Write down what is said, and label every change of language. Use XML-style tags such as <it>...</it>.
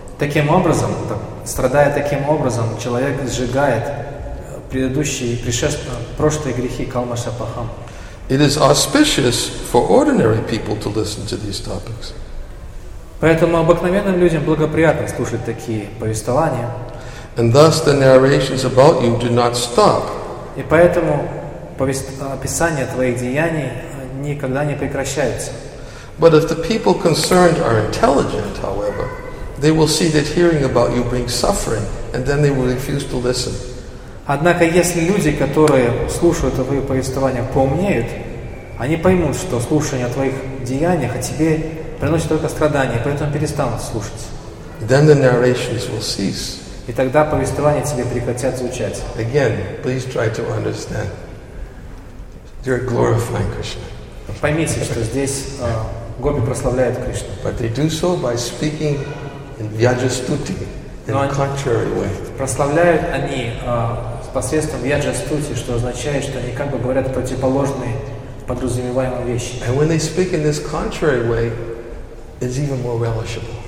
<ru>Таким образом, страдая таким образом, человек сжигает предыдущие, прошлые грехи,</ru> <sa>kalmasa apaham.</sa> <en>It is auspicious for ordinary people to listen to these topics.</en> <ru>Поэтому обыкновенным людям благоприятно слушать такие повествования.</ru> <en>And thus the narrations about you do not stop.</en> <ru>И поэтому описания твоих деяний никогда не прекращаются.</ru> <en>But if the people concerned are intelligent, however, they will see that hearing about you brings suffering, and then they will refuse to listen.</en> <ru>Однако, если люди, которые слушают твои повествования, поумнеют, они поймут, что слушание о твоих деяниях о тебе приносит только страдания, поэтому перестанут слушать.</ru> <en>Then the narrations will cease.</en> <ru>И тогда повествования тебе прекратят звучать.</ru> <en>Again, please try to understand. They're glorifying Krishna.</en> <ru>Поймите, что здесь гопи прославляют Кришну.</ru> <en>But they do so by speaking in Vyajastuti. In a contrary way.</en> <ru>Прославляют они посредством вьяджа-стути, что означает, что они как бы говорят противоположные подразумеваемые вещи.</ru> <en>And when they speak in this contrary way, it's even more relishable.</en>